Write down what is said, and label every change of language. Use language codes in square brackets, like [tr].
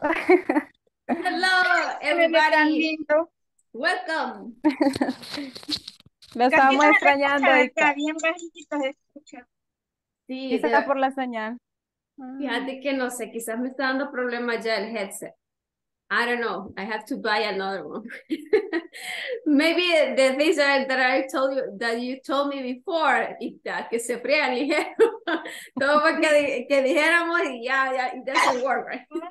[en] Rachel. Hello. Hello, everybody. Welcome. [es] Me estábamos extrañando. Se escucha, bien bajito se escucha. Sí, quizá está por la señal. Fíjate que no sé, quizás me está dando problema ya el headset. [en] I don't know. I have to buy another one. Maybe the things that I told you, that you told me before, Ita, [es] que se frían, dijeron. Todo fue que dijéramos y ya, [en] it doesn't work, right?